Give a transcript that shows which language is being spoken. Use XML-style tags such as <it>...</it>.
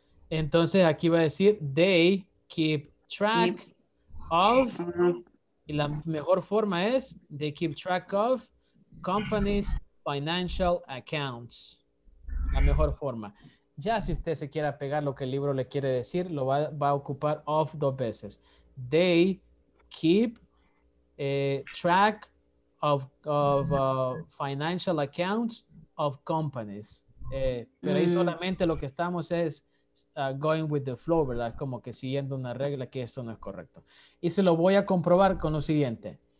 <es>Entonces aquí va a decir</es> <en>they keep track of,</en> <es>y la mejor forma es</es> <en>they keep track of companies' financial accounts.</en> <es>La mejor forma. Ya si usted se quiere pegar lo que el libro le quiere decir, lo va a ocupar of dos veces.</es> <en>They keep track of financial accounts of companies.</en> <es>Pero ahí solamente lo que estamos es</es> <en>going with the flow,</en> <es>¿verdad? Como que siguiendo una regla que esto no es correcto. Y se lo voy a comprobar con lo siguiente.</es>